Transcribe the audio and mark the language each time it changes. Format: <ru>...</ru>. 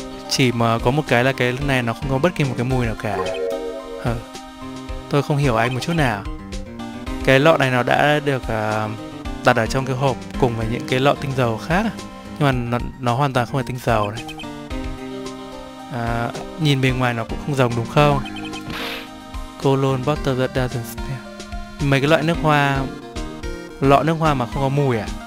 <vi>Chỉ mà có một cái là cái này nó không có bất kỳ một cái mùi nào cả. Tôi không hiểu anh một chút nào. Cái lọ này nó đã được đặt ở trong cái hộp cùng với những cái lọ tinh dầu khác. Nhưng mà nó hoàn toàn không phải tinh dầu này. Nhìn bề ngoài nó cũng không giống đúng không?</vi> <en>Cologne butter that doesn't smell.</en> <vi>Mấy cái loại nước hoa, lọ nước hoa mà không có mùi à?</vi>